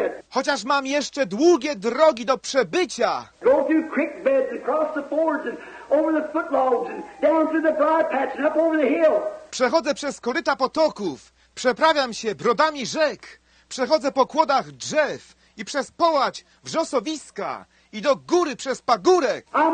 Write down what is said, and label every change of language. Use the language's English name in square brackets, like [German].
[Polish] Chociaż mam jeszcze długie drogi do przebycia. [English] Go through creek beds, across the fords, and over the foot logs, and down through the briar patch, and up over the hill. [Polish] Przechodzę przez koryta potoków, przeprawiam się brodami rzek, przechodzę po kłodach drzew i przez połacz wrzosowiska i do góry przez pagórek.